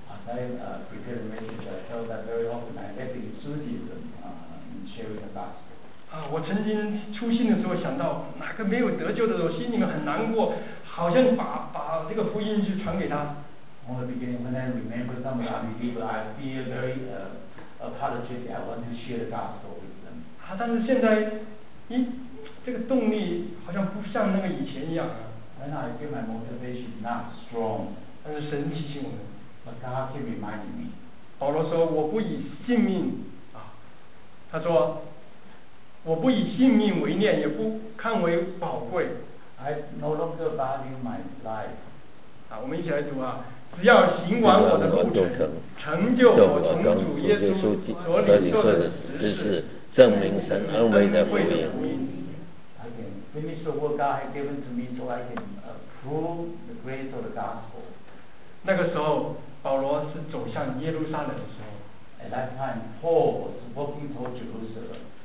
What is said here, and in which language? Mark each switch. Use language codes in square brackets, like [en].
[en] As I prepare the message, I felt that very often I lack enthusiasm in sharing the gospel. [zh] 我曾经初信的时候想到哪个没有得救的时候，心里面很难过，好像把这个福音去传给他。 [en] On the beginning, when I remember some unbeliever, I feel very apologetic. I want to share the gospel with them. [zh] 但是现在，这个动力好像不像那个以前一样。 [en] When I feel my motivation not strong. [zh] 但是神提醒我们。 [en] But God keep reminding me. [zh] 保罗说：“我不以性命他说。我不以性命为念，也不看为宝贵。 [en] I no longer value my life. [zh] 我们一起来读啊！只要行完我的路程，成就我从主耶稣所领受的实事，证明神恩惠的福音。 [en] I can finish the work God has given to me, so I can prove the grace of the gospel. [zh] 那个时候，保罗是走向耶路撒冷的时候。 [en] At that time, Paul was walking toward Jerusalem.